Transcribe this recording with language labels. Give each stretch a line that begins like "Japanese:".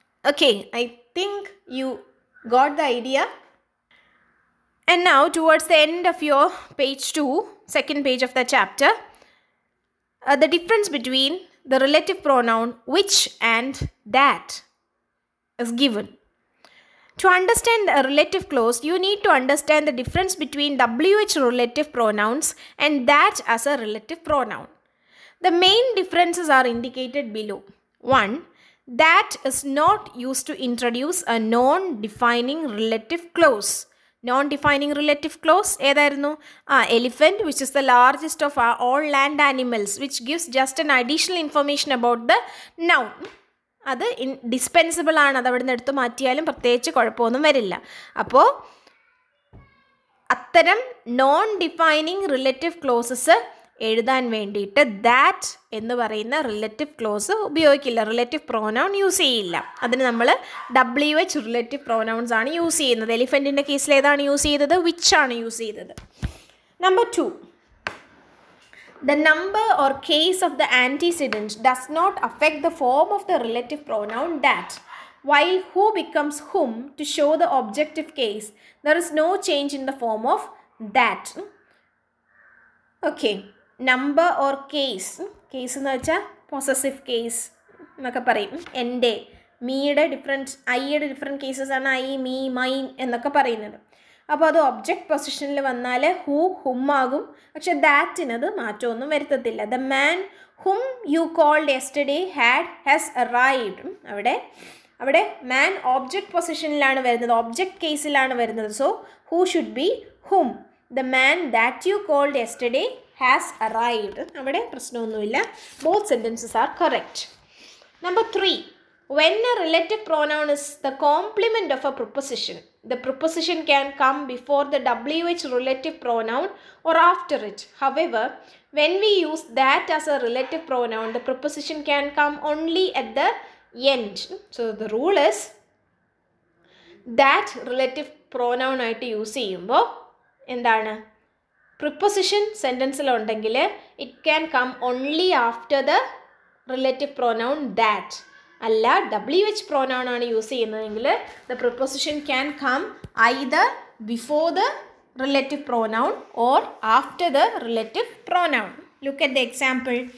English: Okay, I think you got the idea. And now towards the end of your page two, second page of the chapter, the difference between the relative pronoun which and that is given. To understand a relative clause, you need to understand the difference between WH relative pronouns and that as a relative pronoun. The main differences are indicated below. 1. That is not used to introduce a non-defining relative clause. Non-defining relative clause,
Malayalam: ഏതായിരുന്നു?
English: Elephant, which is the largest of all land animals, which gives just an additional information about the noun.
Malayalam: അത് ഡിസ്പെൻസിബിൾ ആണ്, അത് അവിടെ നിന്ന് എടുത്തു മാറ്റിയാലും പ്രത്യേകിച്ച് കുഴപ്പമൊന്നും വരില്ല. അപ്പോൾ അത്തരം നോൺ ഡിഫൈനിങ് റിലേറ്റീവ് ക്ലോസസ് എഴുതാൻ വേണ്ടിയിട്ട് ദാറ്റ് എന്ന് പറയുന്ന റിലേറ്റീവ് ക്ലോസ് ഉപയോഗിക്കില്ല, റിലേറ്റീവ് പ്രോനൗൺ യൂസ് ചെയ്യില്ല. അതിന് നമ്മൾ WH റിലേറ്റീവ് പ്രോനൗൺസ് ആണ് യൂസ് ചെയ്യുന്നത്. എലിഫൻറ്റിൻ്റെ കേസിൽ ഏതാണ് യൂസ് ചെയ്തത്? വിച്ച് ആണ് യൂസ് ചെയ്തത്.
English: Number 2, the number or case of the antecedent does not affect the form of the relative pronoun that. While who becomes whom to show the objective case, there is no change in the form of that.
Malayalam: Okay, number or case nu vacha possessive case nokka parayum, ende me ide different I ide different cases ana I me mine ennokka parayunnathu. അപ്പോൾ അത് object പൊസിഷനിൽ വന്നാൽ who ഹും ആകും, പക്ഷെ ദാറ്റിനത് മാറ്റമൊന്നും വരുത്തത്തില്ല.
English: The man whom you called yesterday had has arrived.
Malayalam: അവിടെ മാൻ object പൊസിഷനിലാണ് വരുന്നത്, object കേസിലാണ് വരുന്നത്.
English: So who should be whom. The man that you called yesterday has arrived.
Malayalam: അവിടെ പ്രശ്നമൊന്നുമില്ല,
English: Both sentences are correct. Number 3, when a relative pronoun is the complement of a preposition, the preposition can come before the WH relative pronoun or after it. However, when we use that as a relative pronoun, the preposition can come only at the end. So the rule is that relative pronoun
Malayalam: ആയിട്ട് use ചെയ്യുമ്പോൾ എന്താണ് preposition സെൻറ്റൻസിൽ ഉണ്ടെങ്കിൽ
English: It can come only after the relative pronoun that.
Malayalam: അല്ല W H pronoun ആണ് use ചെയ്യുന്നതെങ്കിൽ
English: The preposition can come either before the relative pronoun or after the relative pronoun. Look at the example.